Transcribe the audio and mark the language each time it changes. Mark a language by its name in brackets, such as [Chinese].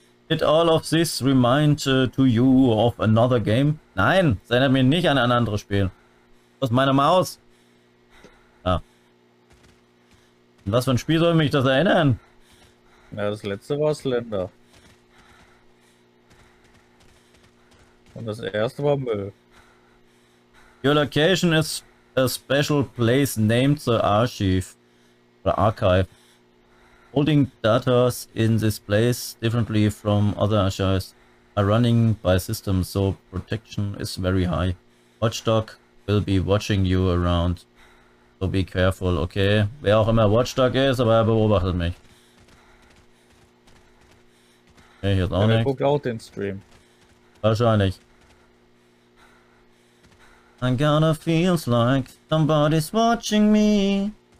[English] Did all of this remind to you of another game? [German] Nein, es erinnert mich nicht an ein anderes Spiel. Aus meiner Maus. Ja. An was für ein Spiel soll mich das erinnern? Ja, das letzte war Slender. Und das erste war Müll. [English] Your location is a special place named the Archive. [German] Oder [English] Archive. Holding data in this place differently from other archives are running by system, so protection is very high. Watchdog will be watching you around, so be careful, okay? [German] Wer auch immer Watchdog ist, aber er beobachtet mich. Okay, hier ist auch nichts. Guckt auch den Stream. Wahrscheinlich. [English] I gotta feels like somebody's watching me.